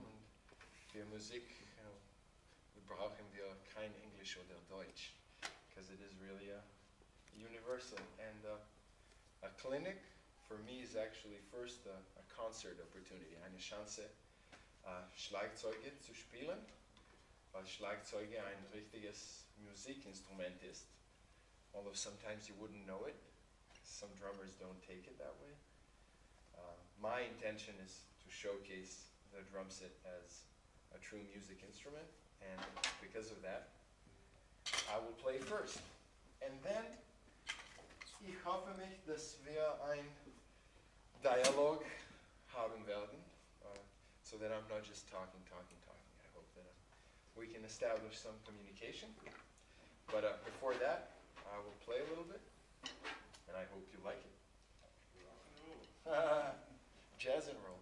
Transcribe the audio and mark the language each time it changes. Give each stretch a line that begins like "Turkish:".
German: Und für Musik brauchen wir kein Englisch oder Deutsch.
English: Because it is really a universal. And a clinic, for me, is actually first a concert opportunity.
German: Eine Chance, Schlagzeuge zu spielen. Weil Schlagzeuge ein richtiges Musikinstrument ist.
English: Although sometimes you wouldn't know it. Some drummers don't take it that way. My intention is to showcase the drum set as a true music instrument. And because of that, I will play first. And then,
German: ich hoffe mich, dass wir ein Dialog haben werden.
English: So that I'm not just talking. I hope that we can establish some communication. But before that, I will play a little bit, and I hope you like it. Jazz and